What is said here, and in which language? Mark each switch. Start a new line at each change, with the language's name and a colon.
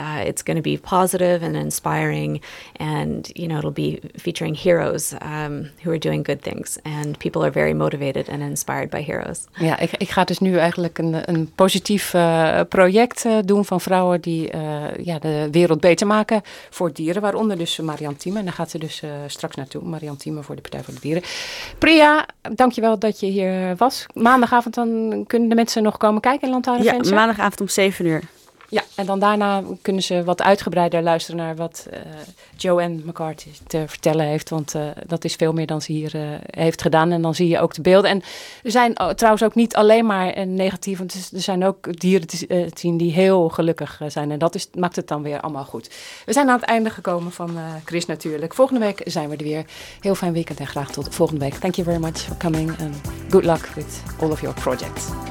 English: It's going to be positive and inspiring. And, you know, it'll be featuring heroes who are doing good things. And people are very motivated and inspired by heroes.
Dutch: Ja, ik ga dus nu eigenlijk een positief project doen van vrouwen die ja, de wereld beter maken voor dieren, waaronder dus Marian Thieme. En daar gaat ze dus straks naartoe, Marian Thieme voor de Partij voor de Dieren. Priya, dankjewel dat je hier was. Maandagavond dan kunnen de mensen nog komen kijken in Lantaarn. Ja, maandagavond om 7:00. Ja, en dan daarna kunnen ze wat uitgebreider luisteren naar wat Joanne McCarthy te vertellen heeft. Want dat is veel meer dan ze hier heeft gedaan. En dan zie je ook de beelden. En er zijn trouwens ook niet alleen maar negatief. Want er zijn ook dieren te zien die heel gelukkig zijn. En dat maakt het dan weer allemaal goed. We zijn aan het einde gekomen van Chris natuurlijk. Volgende week zijn we er weer. Heel fijn weekend en graag tot volgende week.
English: Thank you very much for coming. And good luck with all of your projects.